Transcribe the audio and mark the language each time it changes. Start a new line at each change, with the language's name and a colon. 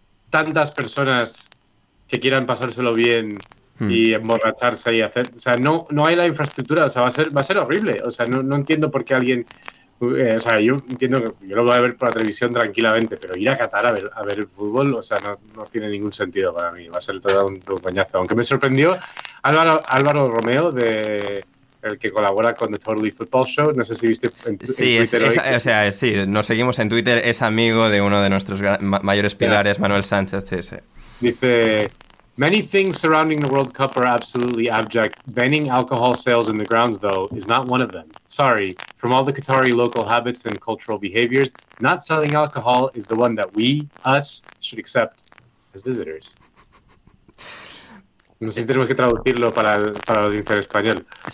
Spanish: tantas personas que quieran pasárselo bien y emborracharse y hacer, o sea, no hay la infraestructura, o sea, va a ser horrible, o sea, no entiendo por qué alguien, o sea, yo entiendo que yo lo voy a ver por la televisión tranquilamente, pero ir a Qatar a ver el fútbol, o sea, no tiene ningún sentido para mí, va a ser todo un coñazo. Aunque me sorprendió Álvaro Romeo, de el que colabora con The Totally Football Show, no sé si viste en Twitter, nos seguimos en Twitter, es amigo de uno de nuestros mayores pilares, yeah. Manuel Sánchez, sí. Dice,
English: many things surrounding the World Cup are absolutely abject. Banning alcohol sales in the grounds, though, is not one of them. Sorry, from all the Qatari local habits and cultural behaviors, not selling alcohol is the one that us should accept as visitors.
Spanish: No sé si tenemos que traducirlo para la audiencia en español.